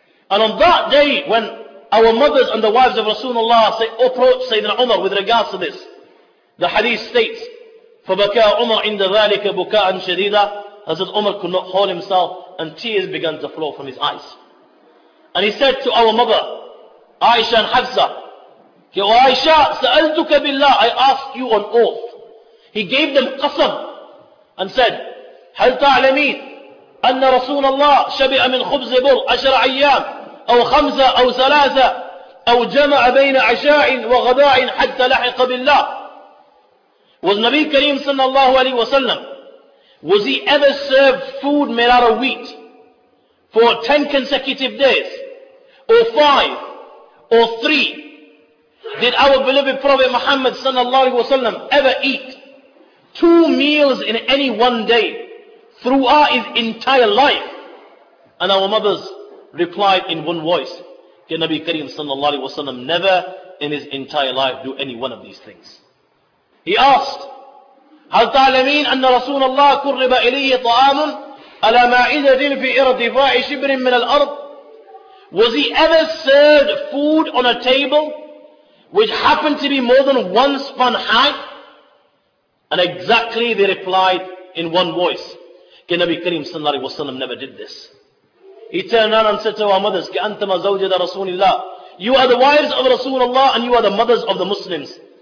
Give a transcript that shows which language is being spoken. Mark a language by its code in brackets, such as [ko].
[en] And on that day when our mothers and the wives of Rasulullah say, approach Sayyidina Umar with regards to this, the hadith states, [ar] فَبَكَى عُمَرْ عِنْدَ ذَلِكَ بُكَاءً شَدِيدًا, [en] Hazrat Umar could not hold himself and tears began to flow from his eyes. And he said to our mother, Aisha and Hafsa, Aisha, [ar] سألتك بالله, [en] I ask you on oath. He gave them قسم and said, [ar] هل تعلمين أن رسول الله شبع من خبز بر 10 أيام أو 5 أو 3 أو جمع بين عشاء وغداء حتى لحق بالله. [en] Was Nabi Kareem sallallahu alayhi wa sallam, was he ever served food made out of wheat for 10 consecutive days or 5 or 3? Did our beloved Prophet Muhammad sallallahu alayhi wa sallam ever eat 2 meals in any one day throughout his entire life? And our mothers replied in one voice, can Nabi Kareem sallallahu alayhi wa sallam never in his entire life do any one of these things? He asked, [ar] هل تعلمين أن رسول الله قرب إليه طعام على مائدة في ارتفاع شبر من الأرض? [en] Was he ever served food on a table which happened to be more than one span high? And exactly they replied in one voice, can Nabi Kareem sallallahu alayhi wa sallam never did this? He turned around and said to our mothers, [ar] كَأَنْتَمَا زَوْجَدَ رَسُولِ اللَّهِ, [en] you are the wives of Rasulullah and you are the mothers of the Muslims.